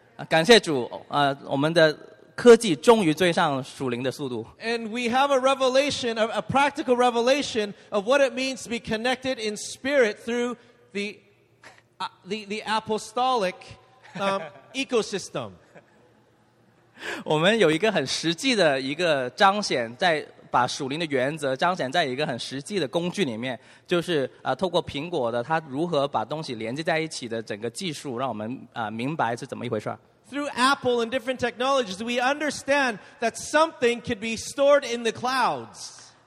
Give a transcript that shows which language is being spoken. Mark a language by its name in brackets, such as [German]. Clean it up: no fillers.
[Chinese] 感谢主，我们的 [English] And we have a revelation, a practical revelation of what it means to be connected in spirit through the apostolic ecosystem. [Chinese] 我们有一个很实际的一个彰显，在把属灵的原则彰显在一个很实际的工具里面，就是透过苹果的它如何把东西连接在一起的整个技术，让我们明白是怎么一回事。 [English] Through Apple and different technologies, we understand that something could be stored in the clouds.